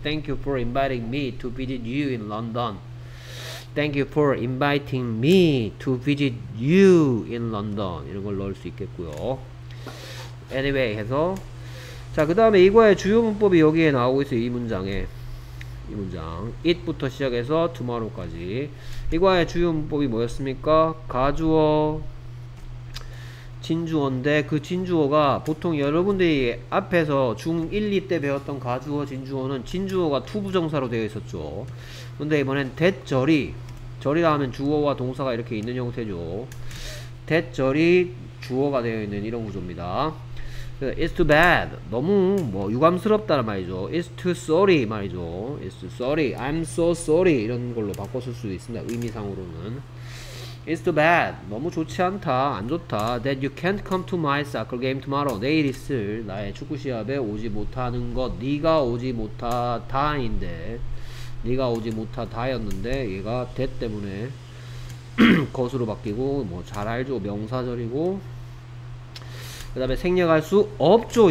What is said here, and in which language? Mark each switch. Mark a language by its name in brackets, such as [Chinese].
[English] Thank you for inviting me to visit you in London. Thank you for inviting me to visit you in London. [Korean] 이런 걸 넣을 수 있겠고요. Anyway 해서 자 그 다음에 이거의 주요 문법이 여기에 나오고 있어요. 이 문장에 이 문장 it부터 시작해서 tomorrow까지 이과의 주요 문법이 뭐였습니까? 가주어 진주어인데 그 진주어가 보통 여러분들이 앞에서 중 1, 2때 배웠던 가주어 진주어는 진주어가 투부정사로 되어 있었죠. 근데 이번엔 that절이 절이라 하면 주어와 동사가 이렇게 있는 형태죠. that 대절이 주어가 되어 있는 이런 구조입니다. [English] It's too bad. [Korean] 너무 뭐 유감스럽다는 말이죠. [English] It's too sorry 말이죠. It's too sorry. I'm so sorry 이런 걸로 바꿔 쓸 수도 있습니다. 의미상으로는. It's too bad. [Korean] 너무 좋지 않다. 안 좋다. [English] That you can't come to my soccer game tomorrow. [Korean] 내일 있을 나의 축구 시합에 오지 못하는 것. 네가 오지 못하다인데. 네가 오지 못하다였는데 얘가 that 때문에 것으로 바뀌고 뭐 잘 알죠. 명사절이고. 그 다음에 생략할 수 없죠.